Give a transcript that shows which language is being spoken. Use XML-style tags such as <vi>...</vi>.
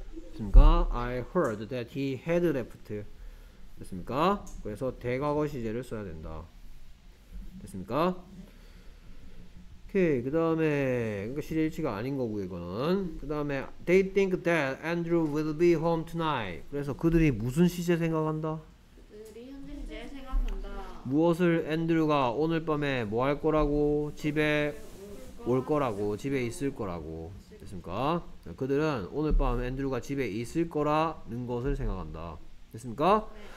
<ko>됐습니까?</ko> <en>I heard that he had left. 됐습니까?</en> <ko>그래서 대과거 시제를 써야 된다. 됐습니까? 오케이. 그 다음에 그러니까 시제일치가 아닌 거고 이거는. 그 다음에</ko> <en>they think that Andrew will be home tonight.</en> <ko>그래서 그들이 무슨 시제 생각한다? 그들이 현재 시제 생각한다. 무엇을 앤드류가 오늘 밤에 뭐 할 거라고 집에 올 거라고 집에 있을 거라고. 됐습니까? 그들은 오늘 밤 앤드류가 집에 있을 거라는 것을 생각한다. 됐습니까?</ko>